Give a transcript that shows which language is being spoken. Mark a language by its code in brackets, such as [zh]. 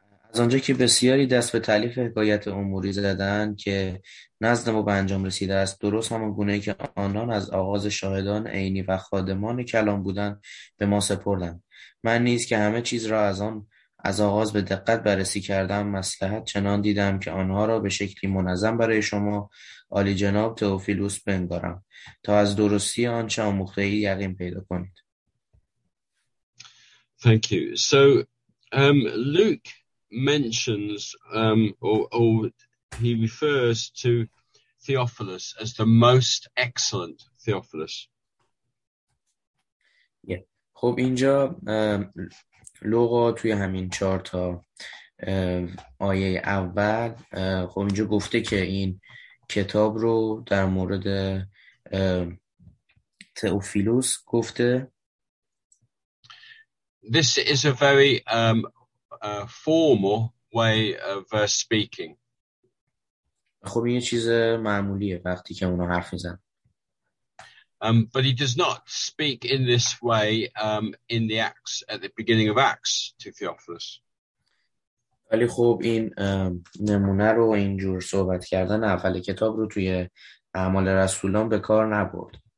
[fa] از آنجا که بسیاری دست به تألیف حکایت اموری زدند که نزد ما به انجام رسیده است، درست همان گونه که آنان از آغاز شاهدان عینی و خادمان کلام بودند به ما سپردند، من نیز که همه چیز را از آغاز به دقت بررسی کردم، مصلحت چنان دیدم که آنها را به شکلی منظم برای شما عالی جناب تئوفیلوس بنگارم تا از درستی آنچه آموخته اید یقین پیدا کنید. [en] Thank you. So Luke mentions or he refers to Theophilus as the most excellent Theophilus. [fa] خب اینجا لوقا توی همین چهار تا آیه اول خب اینجا گفته که این کتاب رو در مورد تئوفیلوس گفته. [en] This is a very formal way of speaking. [fa] خب این یه چیز معمولیه وقتی که اونو حرف میزن. [en] But he does not speak in this way in the Acts, at the beginning of Acts, to Theophilus. [fa] ولی خب این نمونه رو اینجور صحبت کردن اول کتاب رو توی اعمال رسولان به کار نبرد.